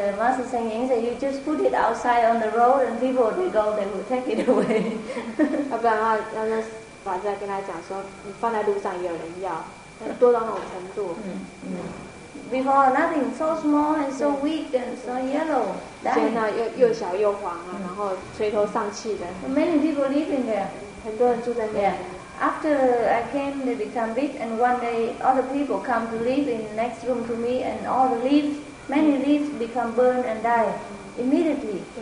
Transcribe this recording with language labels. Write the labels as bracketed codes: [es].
[en] Master Seng Ying said, you just put it outside on the road, and people they go, they will take it away. [zh] 要不然的话，要是把这跟他讲说，你放在路上也有人要，多到那种程度。 [en] Before nothing, so small and so weak and so yellow. [zh] 现在又小又黄啊，然后垂头丧气的。 [en] Many people living there. [zh] 很多人住在那边。 [en] After I came, they become big, and one day other people come to live in the next room to me, and all the leaves, many leaves become burned and die immediately.